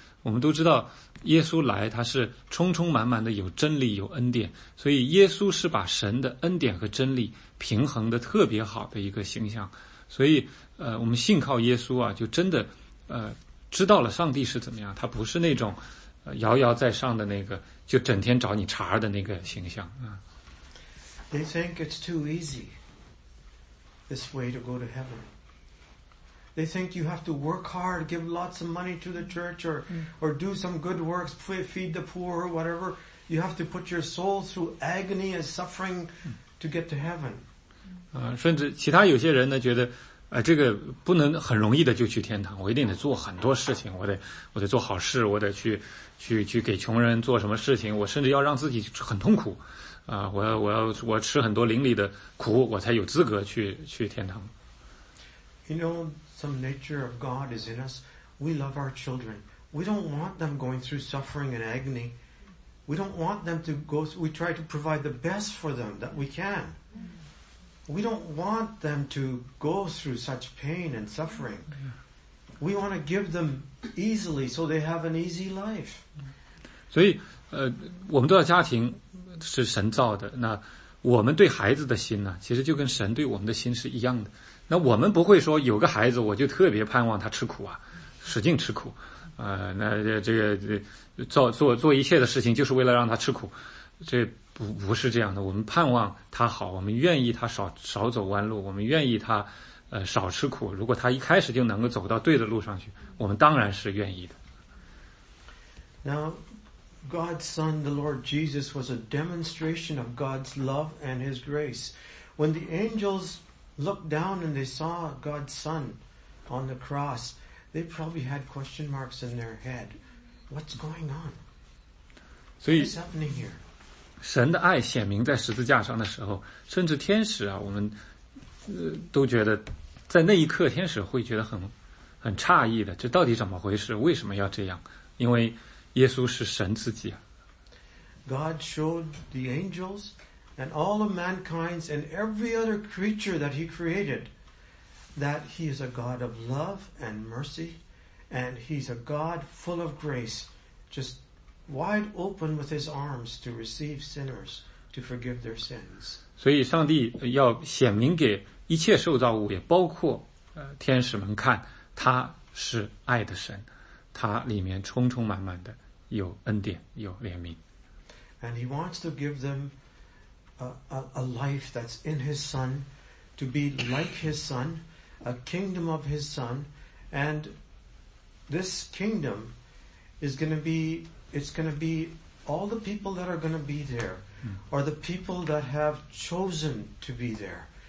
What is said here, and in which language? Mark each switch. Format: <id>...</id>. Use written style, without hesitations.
<zh>我们都知道，耶稣来他是充充满满的有真理有恩典，所以耶稣是把神的恩典和真理平衡的特别好的一个形象。所以，我们信靠耶稣啊，就真的，知道了上帝是怎么样，他不是那种遥遥在上的那个就整天找你茬的那个形象啊。</zh> <en>They think it's too easy this way to go to heaven. They think you have to work hard, give lots of money to the church or do some good works, feed the poor or whatever. You have to put your soul through agony and suffering to get to heaven.</en> <zh>甚至其他有些人呢觉得这个不能很容易的就去天堂，我一定得做很多事情，我得做好事，我得去给穷人做什么事情，我甚至要让自己很痛苦，我吃很多邻里的苦，我才有资格去天堂。</zh> <en>You know, some nature of God is in us. We love our children. We don't want them going through suffering and agony. We don't want them to go. We try to provide the best for them that we can. We don't want them to go through such pain and suffering. We want to give them easily so they have an easy life.</en> <zh>所以我们都要家庭是神造的，那我们对孩子的心呢，其实就跟神对我们的心是一样的。那我们不会说有个孩子我就特别盼望他吃苦啊，使劲吃苦那这个做一切的事情就是为了让他吃苦，这不是这样的。我们盼望他好，我们愿意他少走弯路，我们愿意他少吃苦。如果他一开始就能够走到对的路上去，我们当然是愿意的。</zh> <en>Now, God's Son, the Lord Jesus, was a demonstration of God's love and His grace. When the angels looked down and they saw God's Son on the cross, they probably had question marks in their head. What's going on? What is happening here?</en> <zh>神的爱显明在十字架上的时候，甚至天使啊，我们都觉得在那一刻天使会觉得很诧异的，这到底怎么回事，为什么要这样，因为耶稣是神自己啊。</zh> <en>God showed the angels and all of mankind and every other creature that he created that he is a God of love and mercy and he's a God full of grace, justwide open with his arms to receive sinners to forgive their sins.</en> <zh>所以上帝要显明给一切受造物，也包括天使们看，他是爱的神，他里面充充满满的有恩典，有怜悯。</zh> <en>And he wants to give them a life that's in his son, to be like his son, a kingdom of his son, and this kingdom is going to beIt's going to be all the people that are going to be there are the people that have chosen to be there.</en>